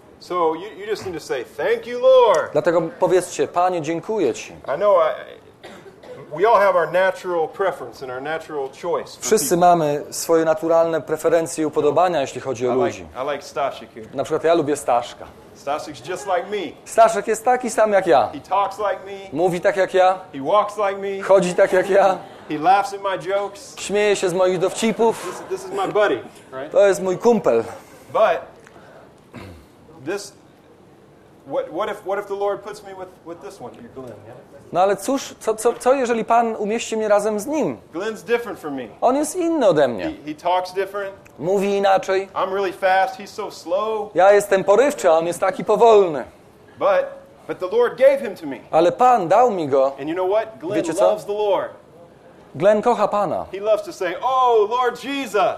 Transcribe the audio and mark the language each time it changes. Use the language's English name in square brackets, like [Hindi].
[English] So you just need to say, thank you, Lord. [Polish] Dlatego powiedzcie, Panie, dziękuję Ci. [English] We all have our natural preference and our natural choice. [Polish] Wszyscy mamy swoje naturalne preferencje i upodobania, jeśli chodzi o ludzi. [English] I like Staszek. [Polish] Na przykład ja lubię Staszka. [English] Staszek's just like me. [Polish] Staszek jest taki sam jak ja. [English] He talks like me. [Polish] Mówi tak jak ja. [English] He walks like me. [Polish] Chodzi tak jak ja. [English] He laughs at my jokes. [Polish] Śmieje się z moich dowcipów. [English] This is my buddy, right? [Polish] To jest mój kumpel. [English] But this what if the Lord puts me with this one, your Glenn, yeah? [Polish] No ale cóż, co jeżeli Pan umieści mnie razem z Nim? [English] Glenn's different from me. [Polish] On jest inny ode mnie. [English] He talks different. [Polish] Mówi inaczej. [English] I'm really fast, he's so slow. [Polish] Ja jestem porywczy, a on jest taki powolny. [English] But the Lord gave him to me. [Polish] Ale Pan dał mi go. [English] And you know what? Glenn loves the Lord. [Polish] Glenn kocha Pana. [English] He loves to say, oh, Lord Jesus.